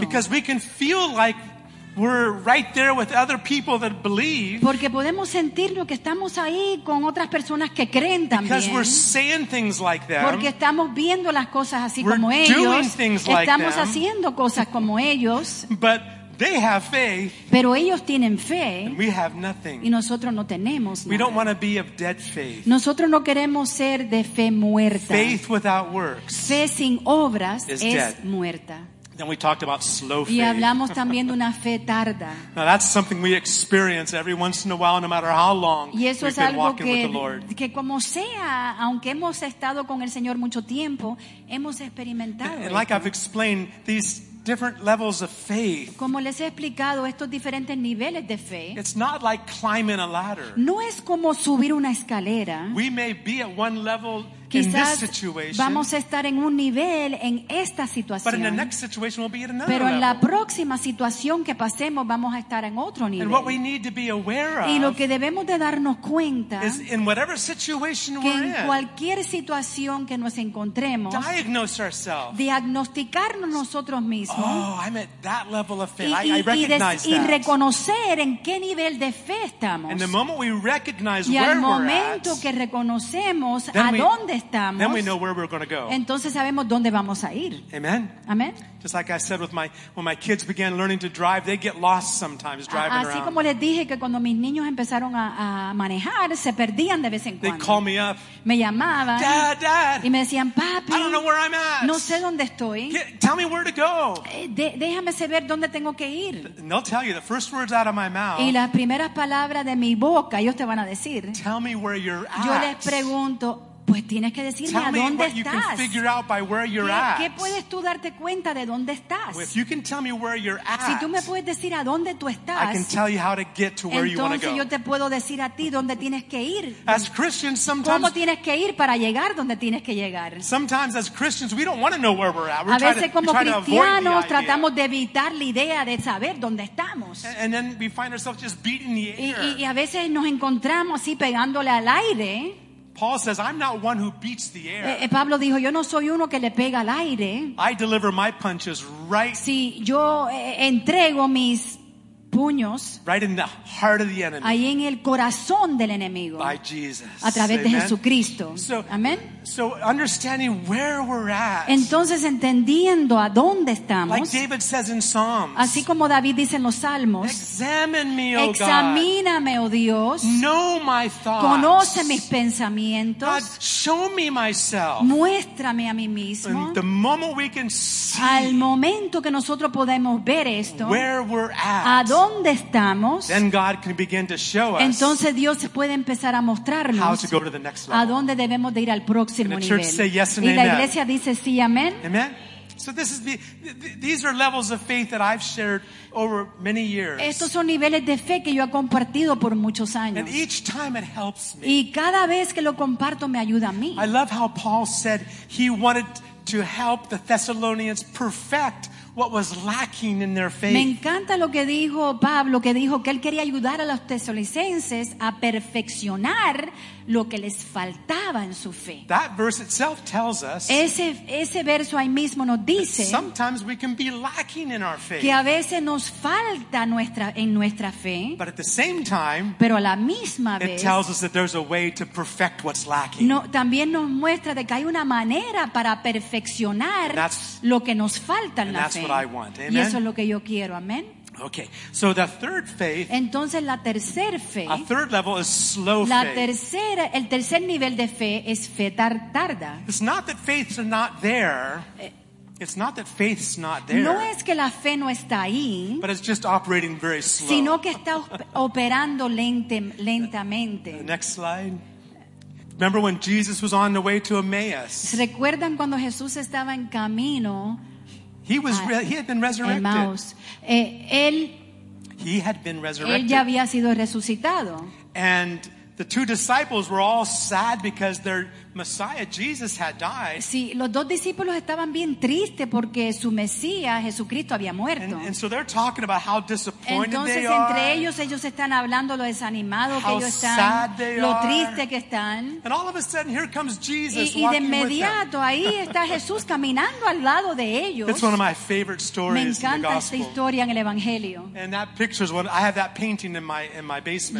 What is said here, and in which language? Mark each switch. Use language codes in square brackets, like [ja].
[en] Because we can feel like we're right there with other people that believe. [es] Porque podemos sentirnos que estamos ahí con otras personas que creen también. [en] Because we're saying things like them. [es] Porque estamos viendo las cosas así como ellos. [en] We're doing things like them. [es] Estamos haciendo cosas como ellos. [en] But they have faith. [es] Pero ellos tienen fe. [en] And we have nothing. [es] Y nosotros no tenemos nada. [en] We don't want to be of dead faith. [es] Nosotros no queremos ser de fe muerta. [en] Faith without works. [es] Fe sin obras es muerta. [en] Then we talked about slow faith. [es] Y hablamos también de una fe tarda. [en] Now that's something we experience every once in a while, no matter how long we've been walking [es] que, [en] with the Lord. [es] Que como sea, aunque hemos estado con el Señor mucho tiempo, hemos experimentado. [en] And like I've explained, these different levels of faith. [es] Como les he explicado, estos diferentes niveles de fe. [en] It's not like climbing a ladder. [es] No es como subir una escalera. [en] We may be at one level. [es] Quizás [en] in this situation, [es] vamos a estar en un nivel en esta situación. [en] But in the next situation, we'll be at another [es] pero en La próxima situación que pasemos vamos a estar en otro nivel. [en] And what we need to be aware of [es] y lo que debemos de darnos cuenta [en] is in whatever situation [es] que [en] we're [es] en cualquier situación que nos encontremos [en] diagnose ourselves. [es] Diagnosticarnos nosotros mismos [en] oh, I'm at that level of faith. [es] Y reconocer en qué nivel de fe estamos. [en] And the moment we recognize [es] y [en] where [es] al momento [en] we're at, [es] que reconocemos a dónde estamos, [en] then we know where we're going to go. [es] Entonces sabemos dónde vamos a ir. [en] Amen. [es] Amen. [en] Just like I said with my when my kids began learning to drive, they get lost sometimes driving [es] así [en] around. [es] Así como les dije que cuando mis niños empezaron a manejar, se perdían de vez en cuando. [en] They call me up. [es] Me llamaban. [en] Dad, dad. [es] Y me decían, papi. [en] I don't know where I'm at. [es] No sé dónde estoy. [en] Tell me where to go. [es] Déjame saber dónde tengo que ir. [en] And they'll tell you the first words out of my mouth. [es] Y las primeras palabras de mi boca, ellos te van a decir. [en] Tell me where you're at. [es] Yo les pregunto. Pues tienes que decirme [en] tell [es] a dónde estás. [en] You can figure out by where you're [es] ¿Qué, [en] at? [es] ¿Qué puedes tú darte cuenta de dónde estás? [en] Well, if you can tell me where you're at, [es] si tú me puedes decir a dónde tú estás, [en] I can tell you how to get to where [es] entonces [en] you want to go. [es] Yo te puedo decir a ti dónde tienes que ir. [en] As Christians, sometimes, [es] ¿cómo tienes que ir para llegar donde tienes que llegar? [en] Sometimes as Christians, we don't want to know where we're at. We're [es] a veces como cristianos tratamos de evitar la idea de saber dónde estamos. [en] And then we find ourselves just beating the air. [es] Y a veces nos encontramos así pegándole al aire. [en] Paul says, I'm not one who beats the air. [es] Pablo dijo, yo no soy uno que le pega al aire. [en] I deliver my punches right. [es] Sí, yo entrego mis puños. [en] Right in the heart of the enemy. [es] Ahí en el corazón del enemigo. [en] By Jesus. [es] A través de Jesucristo. [en] So, [es] amen. [en] So understanding where we're at. [es] Entonces entendiendo a dónde estamos. [en] Like David says in Psalms. [es] Así como David dice en los Salmos. [en] Examine me, oh God. [es] Examíname, oh Dios. [en] Know my thoughts. [es] Conoce mis pensamientos. [en] God, show me myself. [es] Muéstrame a mí mismo. [en] And the moment we can see. [es] Al momento que nosotros podemos ver esto. [en] Where we're at. [es] A dónde estamos. [en] Then God can begin to show us. [es] Entonces Dios puede empezar a mostrarnos. [en] How to go to the next level. [es] A dónde debemos de ir al próximo. [en] And the church say yes and [es] y la [en] amen. [es] Iglesia dice sí, amén. [en] Amen. So this is these are levels of faith that I've shared over many years. [es] Estos son niveles de fe que yo he compartido por muchos años. [en] And each time it helps me. [es] Y cada vez que lo comparto me ayuda a mí. [en] I love how Paul said he wanted to help the Thessalonians perfect what was lacking in their faith. [es] Me encanta lo que dijo Pablo, que dijo que él quería ayudar a los tesalonicenses a perfeccionar lo que les faltaba en su fe. [en] That verse itself tells us. [es] Ese verso ahí mismo nos dice. [en] Sometimes we can be lacking in our faith. [es] Que a veces nos falta en nuestra fe. [en] But at the same time. [es] Pero a la misma [en] it [es] vez. [en] It tells us that there's a way to perfect what's lacking. [es] No, también nos muestra de que hay una manera para perfeccionar lo que nos falta en la [en] that's That's what I want. Amen. [es] Y eso es lo que yo quiero. Amén. [en] Okay, so the third faith. [es] Entonces la tercer fe. [en] A third level is slow faith. [es] La tercera, el tercer nivel de fe es fe tarda. [en] It's not that faith's not there. It's not that faith's not there. [es] No es que la fe no está ahí. [en] But it's just operating very slow. [es] Sino que está operando lentamente. [en] The next slide. Remember when Jesus was on the way to Emmaus? [es] ¿Recuerdan cuando Jesús estaba en camino? [en] He had been resurrected. [es] Emmaus. [en] He had been resurrected. [es] Él ya había sido resucitado. [en] And the two disciples were all sad because they're Messiah Jesus had died. [es] Sí, los dos discípulos estaban bien tristes porque su Mesías Jesucristo había muerto. [en] And so they're talking about how disappointed [es] Entonces, [en] they are. [es] Entonces entre ellos están hablando lo desanimados que ellos están, lo tristes que están. [en] And all of a sudden here comes Jesus [es] y de inmediato ahí está Jesús caminando al lado de ellos. [en] It's one of my favorite stories in the gospel. [es] Me encanta esta historia en el evangelio. [en] And that picture is what I have that painting in my basement.